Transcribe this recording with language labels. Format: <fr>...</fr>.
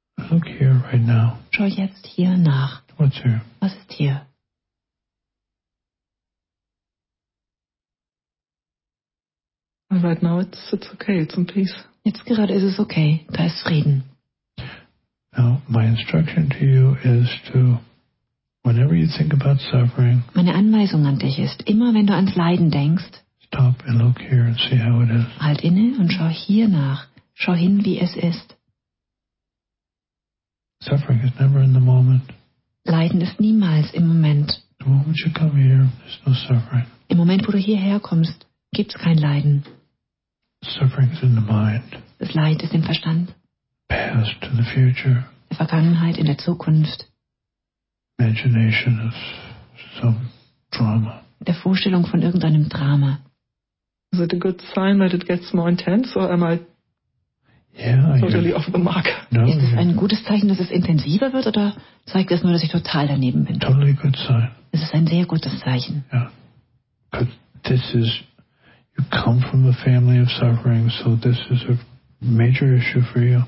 <en>Look here right now.</en> <de>Schau jetzt hier nach.</de> <en>What's here?</en> <de>Was ist hier?</de> <en>Right now it's okay, it's in peace.</en> <de>Jetzt gerade ist es okay, da ist Frieden.</de> <en>Now, my instruction to you is to, whenever you think about suffering,</en> <de>meine Anweisung an dich ist, immer wenn du ans Leiden denkst,</de> <en>stop and look here and see how it is.</en> <de>Halt inne und schau hier nach. Schau hin, wie es ist.</de> <en>Suffering is never in the moment.</en> <de>Leiden ist niemals im Moment.</de> <en>The moment you come here, there's no suffering.</en> <de>Im Moment, wo du hierher kommst, gibt es kein Leiden.</de> <en>Suffering is in the mind.</en> <de>Das Leid ist im Verstand.</de> <en>Past to the future.</en> <de>Der Vergangenheit in der Zukunft.</de> <en>Imagination of some drama.</en> <de>Der Vorstellung von irgendeinem Drama.</de> <en>Is it a good sign that it gets more intense, or am I totally off the mark?</en> <de>No, ist es ein gutes Zeichen, dass es intensiver wird, oder zeigt es nur, dass ich total daneben bin?</de> <en>Totally good sign.</en> <de>Es ist ein sehr gutes Zeichen.</de> <en>Yeah. But this is, you come from a family of suffering, so this is a major issue for you.</en>